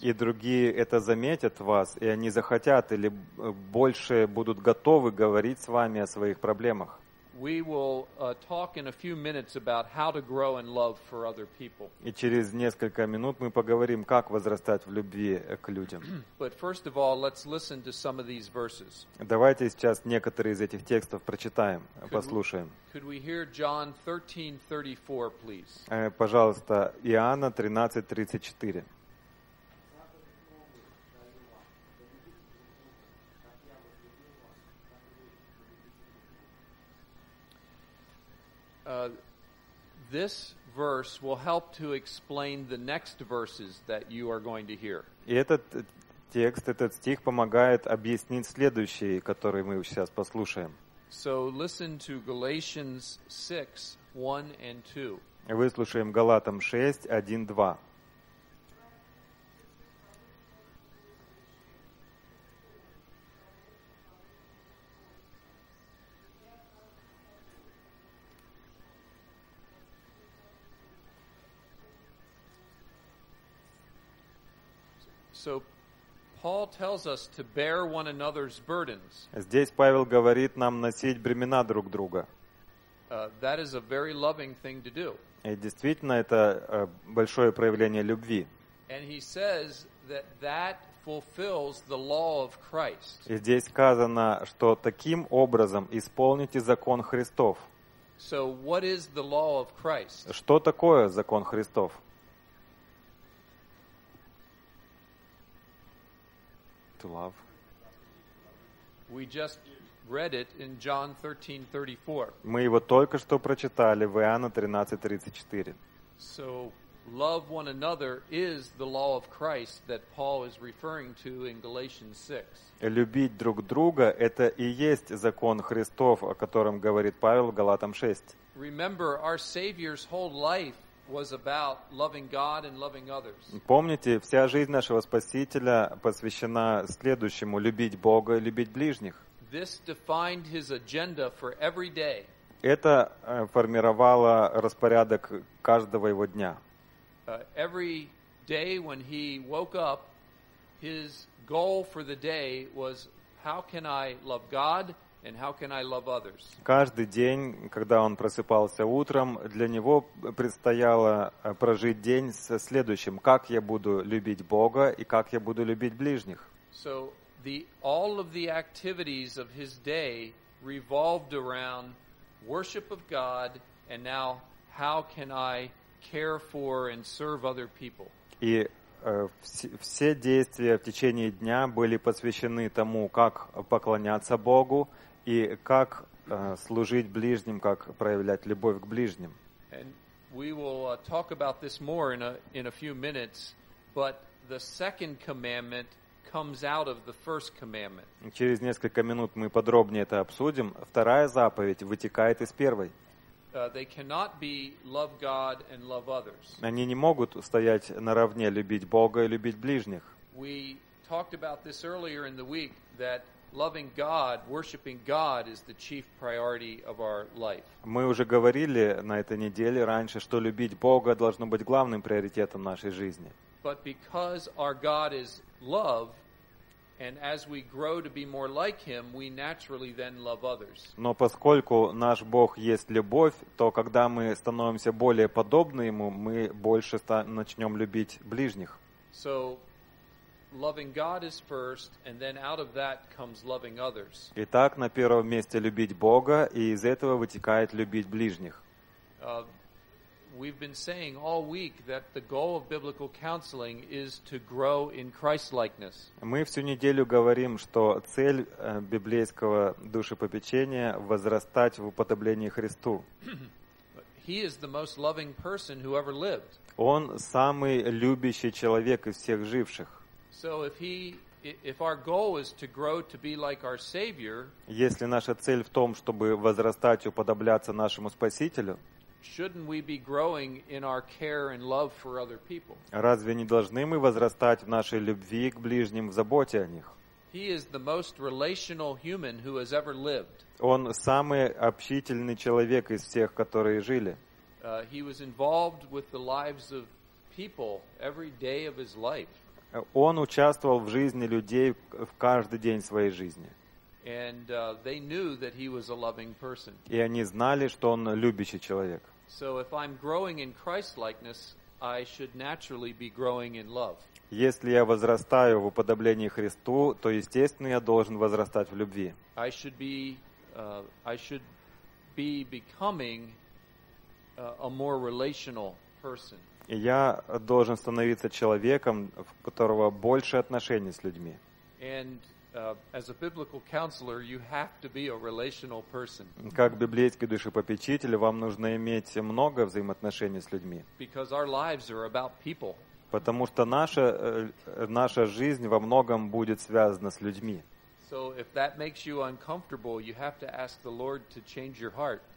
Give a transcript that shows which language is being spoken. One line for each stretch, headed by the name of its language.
Russian: И другие это заметят вас, и они захотят или больше будут готовы говорить с вами о своих проблемах.
English: We will talk in a few minutes about how to grow in love for other people.
Russian: И через несколько минут мы поговорим, как возрастать в любви к людям.
English: But first of all, let's listen to some of these verses.
Russian: Давайте сейчас некоторые из этих текстов прочитаем, послушаем.
English: Could we hear John 13:34, please?
Russian: Пожалуйста, Иоанна 13:34.
English: This verse will help to explain the next verses that you are going to hear.
Russian: И этот текст, этот стих помогает объяснить следующие, которые мы сейчас послушаем.
English: So listen to Galatians 6:1-2.
Russian: И выслушаем Галатам 6:1-2.
English: So Paul tells us to bear one another's burdens.
Russian: Здесь Павел говорит нам носить бремена друг друга.
English: That is a very loving thing to do.
Russian: И действительно, это большое проявление любви.
English: And he says that that fulfills the law of Christ.
Russian: И здесь сказано, что таким образом исполните закон Христов.
English: So what is the law of Christ?
Russian: Что такое закон Христов?
English: To love. We just read it in John 13:34.
Russian: Мы его только что прочитали в Иоанна 13:34.
English: So love one another is the law of Christ that Paul is referring to in Galatians 6.
Russian: Любить друг друга — это и есть закон Христов, о котором говорит Павел в Галатам 6.
English: Remember, our Savior's whole life was about loving God and loving others.
Russian: Помните, вся жизнь нашего Спасителя посвящена следующему — любить Бога и любить ближних.
English: This defined his agenda for every day.
Russian: Это формировало распорядок каждого его дня.
English: Every day when he woke up, his goal for the day was, how can I love God and how can I love others?
Russian: Каждый день, когда он просыпался утром, для него предстояло прожить день со следующим: как я буду любить Бога и как я буду любить ближних?
English: So all of the activities of his day revolved around worship of God and now how can I care for and serve other people.
Russian: И все действия в течение дня были посвящены тому, как поклоняться Богу и как служить ближним, как проявлять любовь к ближним.
English: And we will talk about this more in a few minutes, but the second commandment comes out of the first commandment.
Russian: Через несколько минут мы подробнее это обсудим. Вторая заповедь вытекает из первой.
English: They cannot be love God and love others.
Russian: Они не могут стоять наравне любить Бога и любить ближних.
English: We talked about this earlier in the week that loving God, worshiping God is the chief priority of our life.
Russian: Мы уже говорили на этой неделе раньше, что любить Бога должно быть главным приоритетом нашей жизни.
English: But because our God is love, and as we grow to be more like him, we naturally then love others.
Russian: Но поскольку наш Бог есть любовь, то когда мы становимся более подобны ему, мы больше начнем любить ближних.
English: So loving God is first, and then out of that comes loving others.
Russian: Итак, на первом месте любить Бога, и из этого вытекает любить ближних.
English: We've been saying all week that the goal of biblical counseling is to grow in Christ-likeness.
Russian: Мы всю неделю говорим, что цель библейского душепопечения — возрастать в уподоблении Христу.
English: He is the most loving person who ever lived.
Russian: Он самый любящий человек из всех живших.
English: So if our goal is to grow to be like our Savior,
Russian: если наша цель в том, чтобы возрастать и уподобляться нашему Спасителю,
English: shouldn't we be growing in our care and love for other people?
Russian: Разве не должны мы возрастать в нашей любви к ближним, в заботе о них?
English: He is the most relational human who has ever lived.
Russian: Он самый общительный человек из всех, которые жили.
English: He was involved with the lives of people every day of his life.
Russian: Он участвовал в жизни людей в каждый день своей жизни.
English: And they knew that he was a loving person.
Russian: И они знали, что он любящий человек.
English: So if I'm growing in Christ-likeness, I should naturally be growing in love.
Russian: Если я возрастаю в уподоблении Христу, то естественно я должен возрастать в любви.
English: I should be becoming a more relational person.
Russian: И я должен становиться человеком, в которого больше отношений с людьми.
English: And as a biblical counselor, you have to be a relational person.
Russian: Как библейский душепопечитель, вам нужно иметь много взаимоотношений с людьми.
English: Because our lives are about people.
Russian: Потому что наша жизнь во многом будет связана с людьми.
English: So if that makes you uncomfortable, you have to ask the Lord to change your heart.